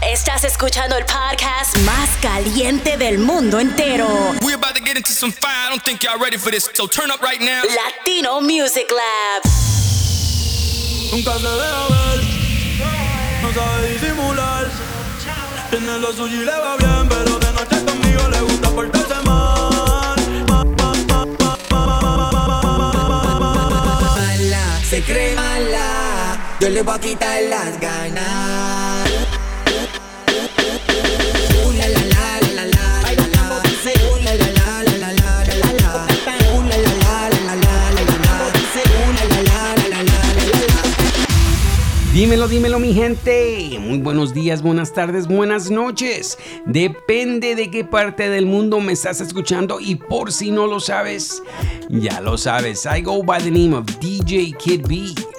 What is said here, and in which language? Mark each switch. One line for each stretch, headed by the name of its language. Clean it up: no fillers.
Spanish: Estás escuchando el podcast más caliente del mundo entero.
English: We're about to get into some fire. I don't think y'all ready for this. So turn up right now. Latino Music Lab.
Spanish: Nunca se deja ver. No sabe disimular. Tiene lo suyo y le va bien. Pero de noche conmigo le gusta portarse mal. Mala, se cree mala. Yo le voy a quitar las ganas. Dímelo, mi gente. Muy buenos días, buenas tardes, buenas noches. Depende de qué parte del mundo me estás escuchando. Y por si no lo sabes, ya lo sabes.
English: I go by the name of DJ Kid B.